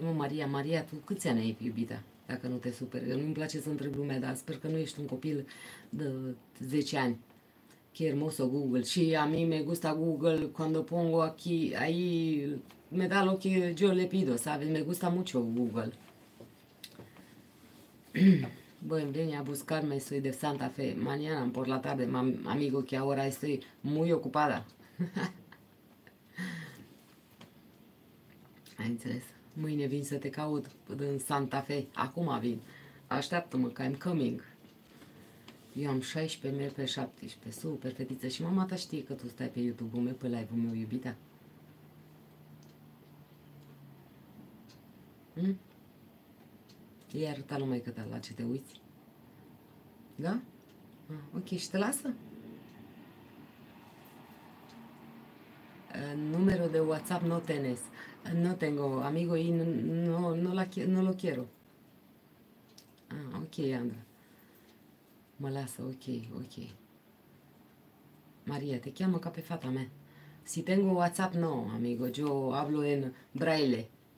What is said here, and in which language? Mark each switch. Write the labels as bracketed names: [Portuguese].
[Romanian] Mă, Maria, Maria, tu câți ani ai, iubita? Dacă nu te superi. Nu-mi place să întreb lumea, dar sper că nu ești un copil de 10 ani. [Spanish] Qué hermoso Google. Și a mí me gusta Google cuando pongo aquí, ahí me da lo que yo le pido, ¿sabes? Me gusta mucho Google. Voy a buscarme, soy de Santa Fe. Mañana por la tarde, amigo, que ahora estoy muy ocupada. [Romanian] Ai înțeles? Mâine vin să te caut în Santa Fe. Acum vin. Așteaptă-mă, că [English] I'm coming. [Romanian] Eu am 16, merg pe 17. Super, fetiță. Și mama ta știe că tu stai pe YouTube-ul meu, pe live-ul meu, iubita. Iar ta numai că la ce te uiți. Da? Ok, și te lasă? [Spanish] Numero de WhatsApp no tenes. No tengo, amigo, y no lo quiero. [Romanian] Ah, ok, Andra. Mă lasă, ok. Maria, te cheamă ca pe fata mea. [Spanish] Si tengo WhatsApp, no, amigo, yo hablo en braille.